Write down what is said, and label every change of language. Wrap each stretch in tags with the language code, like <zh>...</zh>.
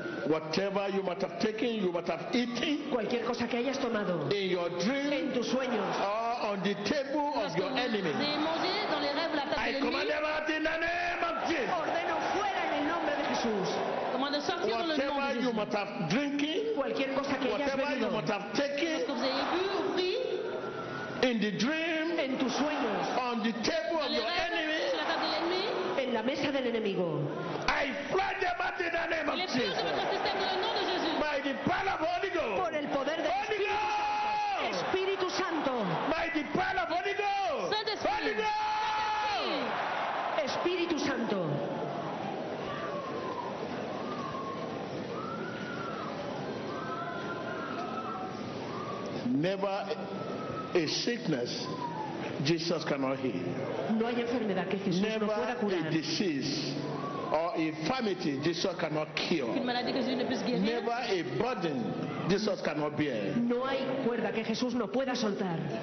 <en>Whatever you might have taken, you might have eaten.</en> <es>Cualquier cosa que hayas tomado.</es> <en>In your dream.</en> <es>En tus sueños.</es> <en>Or on the table of your enemy. I command them out in the name of Jesus.</en> <es>Ordeno fuera en el nombre de Jesús.</es> <en>Whatever you might have drinking.</en> <es>Cualquier cosa que hayas</es> <en>whatever</en> <es>bebido.</es> <en>You might have taken. In the dream.</en> <es>En tus sueños.</es> <en>On the table of your enemy.</en> <es>En la mesa del enemigo.</es> <en>I flood them out in the name of Jesus. By the power of Holy Ghost.</en> <es>Por el poder del</es> <en>Holy Ghost.</en> <es>Espíritu Santo.</es> <en>By the power of Holy Ghost. Holy Ghost.</en> <es>Espíritu Santo.</es> <en>Never a sickness. Jesus cannot heal.</en> <es>No hay enfermedad que Jesús</es> <en>never</en> <es>no pueda curar.</es> <en>Never a disease or infirmity Jesus cannot cure. Never a burden Jesus cannot bear.</en> <es>No hay cuerda que Jesús no pueda soltar.</es>